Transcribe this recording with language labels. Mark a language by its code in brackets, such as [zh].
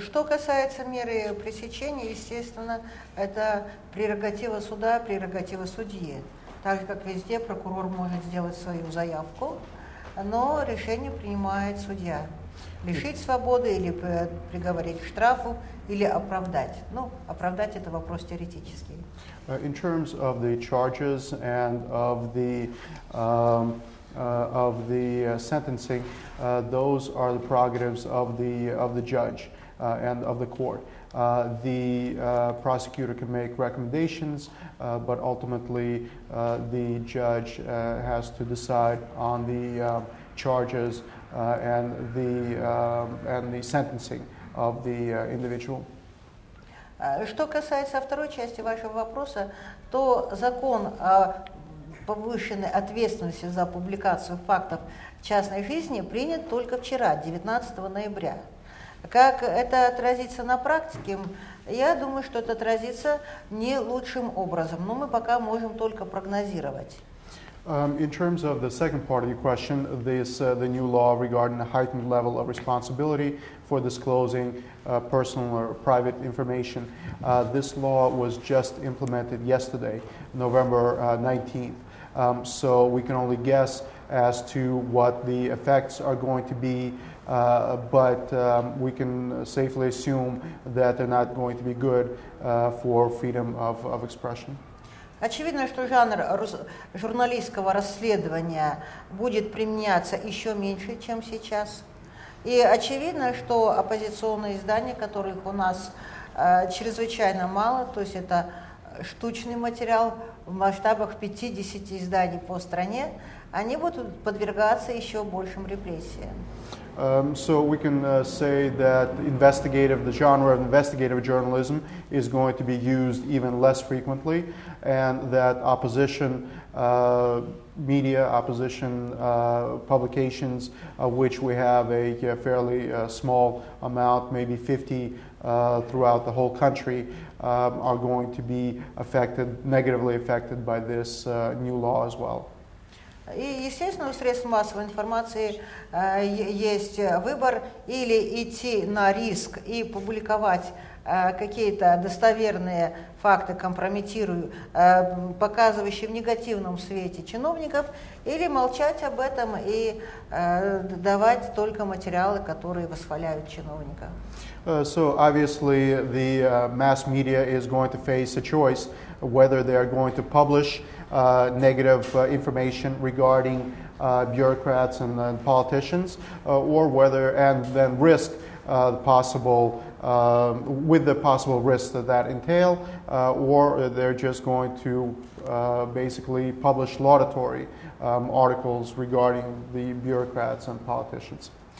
[ru] Что касается меры пресечения, естественно, это прерогатива суда, прерогатива судьи. Так же, как везде, прокурор может сделать свою заявку, но решение принимает судья. Лишить свободы или приговорить к штрафу или оправдать. Ну, оправдать это вопрос теоретический. [en] In terms of the charges and of the sentencing, those are the prerogatives of the judge and of the court. The prosecutor can make recommendations, but ultimately the judge has to decide on the charges. And the sentencing of the individual. [ru] Что касается второй части вашего вопроса, то закон о повышенной ответственности за публикацию фактов частной жизни принят только вчера, 19 ноября. Как это отразится на практике, я думаю, что это отразится не лучшим образом, но мы пока можем только прогнозировать. [en] In terms of the second part of your question, this the new law regarding a heightened level of responsibility for disclosing personal or private information, this law was just implemented yesterday, November 19th. So we can only guess as to what the effects are going to be, but we can safely assume that they're not going to be good for freedom of expression. [ru] Очевидно, что жанр журналистского расследования будет применяться еще меньше, чем сейчас. И очевидно, что оппозиционные издания, которых у нас чрезвычайно мало, то есть это штучный материал в масштабах 50 изданий по стране, они будут подвергаться еще большим репрессиям. [en] So we can say that the genre of investigative journalism is going to be used even less frequently, and that opposition media, opposition publications, of which we have a fairly small amount, maybe 50 throughout the whole country, are going to be negatively affected by this new law as well. [ru] И, естественно, у средств массовой информации есть выбор или идти на риск и публиковать какие-то достоверные факты, показывающие в негативном свете чиновников, или молчать об этом и давать только материалы, которые восхваляют чиновника. [en] So obviously the mass media is going to face a choice whether they are going to publish negative information regarding bureaucrats and politicians, or whether they're just going to basically publish laudatory articles regarding the bureaucrats and politicians.